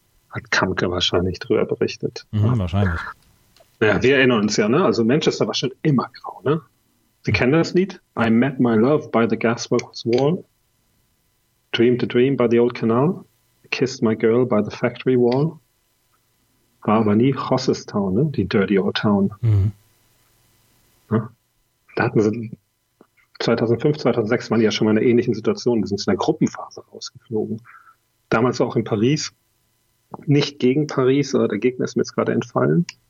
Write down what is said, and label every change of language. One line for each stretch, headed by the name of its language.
German: Hat Kamke wahrscheinlich drüber berichtet. Wahrscheinlich. Ja, wir erinnern uns ja, ne? Also Manchester war schon immer grau, ne? Sie kennen das Lied?
English: I met my love by the gasworks wall. Dreamed a dream by the old canal. I kissed my girl by the factory wall.
German: War aber nie Hosses Town, ne? Die
English: dirty old town.
German: Da hatten sie 2005, 2006 waren die ja schon mal in einer ähnlichen Situation. Die sind in der Gruppenphase rausgeflogen. Damals auch in Paris. Nicht gegen Paris, aber der Gegner ist mir jetzt gerade entfallen.